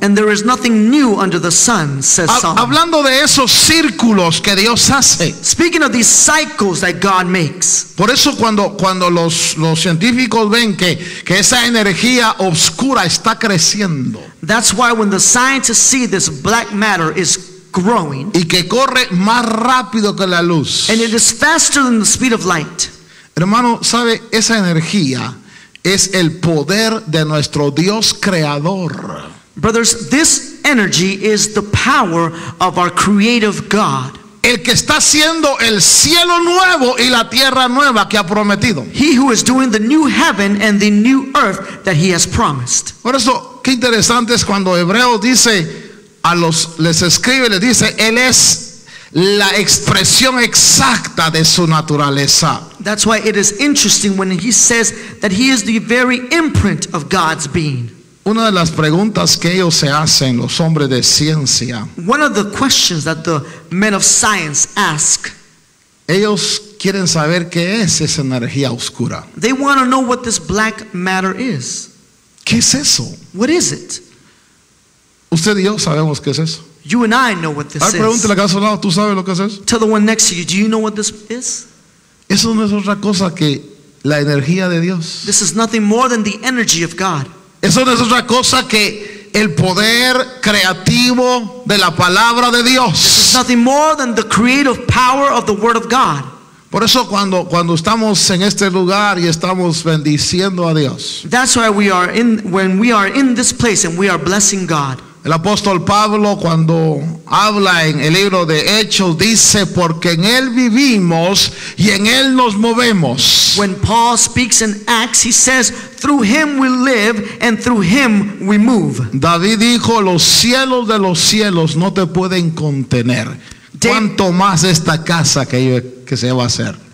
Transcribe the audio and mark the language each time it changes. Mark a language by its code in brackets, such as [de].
[en] And there is nothing new under the sun, says Solomon. [es] Hablando de esos círculos que Dios hace. [en] Speaking of these cycles that God makes. [es] Por eso cuando los científicos ven que esa energía oscura está creciendo. [en] That's why when the scientists see this black matter is growing. [es] Y que corre más rápido que la luz. [en] And it is faster than the speed of light. [es] Hermano, sabe, esa energía es el poder de nuestro Dios creador. [en] Brothers, this energy is the power of our creative God. [es] El que está haciendo el cielo nuevo y la tierra nueva que ha prometido. [en] He who is doing the new heaven and the new earth that he has promised. [es] Por eso, qué interesante es cuando Hebreo dice a los les escribe les dice él es la expresión exacta de su naturaleza. [en] That's why it is interesting when he says that he is the very imprint of God's being. [es] Una de las preguntas que ellos se hacen, los hombres de ciencia. [en] One of the questions that the men of science ask. [es] Ellos quieren saber qué es esa energía oscura. [en] They want to know what this black matter is. [es] ¿Qué es eso? [en] What is it? [es] Usted y yo sabemos qué es eso. [en] You and I know what this is. [es] Pregúntale a cada lado, ¿tú sabes lo que es eso? [en] Tell the one next to you, do you know what this is? [es] Eso no es otra cosa que la energía de Dios. [en] This is nothing more than the energy of God. [es] Eso no es otra cosa que el poder creativo de la palabra de Dios. [en] This is nothing more than the creative power of the word of God. [es] Por eso cuando estamos en este lugar y estamos bendiciendo a Dios. [en] That's why we are in when we are in this place and we are blessing God. [es] El apóstol Pablo cuando habla en el libro de Hechos dice porque en él vivimos y en él nos movemos. [en] When Paul speaks in Acts he says through him we live and through him we move. [es] David dijo los cielos de los cielos no te pueden contener. Cuanto más esta casa que se va a hacer.